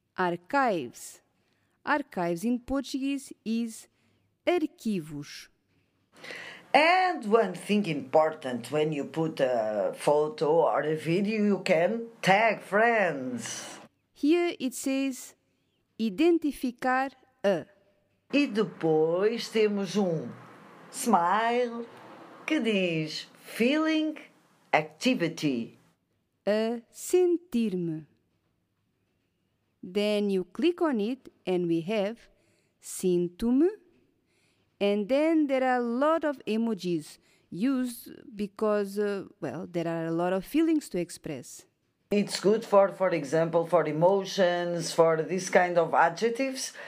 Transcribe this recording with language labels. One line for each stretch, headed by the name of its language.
English: Archives. Archives in Portuguese is arquivos. And one thing important, when you put a photo or a video, you can tag friends. Here it says
Portuguese: identificar a. E depois temos smile que diz
English: feeling activity.
Portuguese: A sentir-me.
English: Then you click on it and we have sinto-me. And then there are a lot of emojis used because, there are a lot of feelings to express. It's good for example, for emotions, for these kind of adjectives.